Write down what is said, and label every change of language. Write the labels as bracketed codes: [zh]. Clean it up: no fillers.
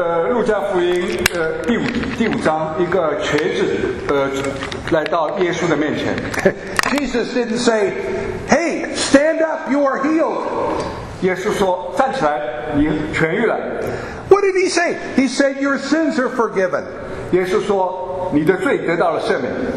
[zh] 路加福音第五章，一个瘸子来到耶稣的面前。 [en] Jesus didn't say, "Hey, stand up, you are healed." [zh] 耶稣说，站起来，你痊愈了。 [en] What did he say? He said, "Your sins are forgiven." [zh] 耶稣说，你的罪得到了赦免。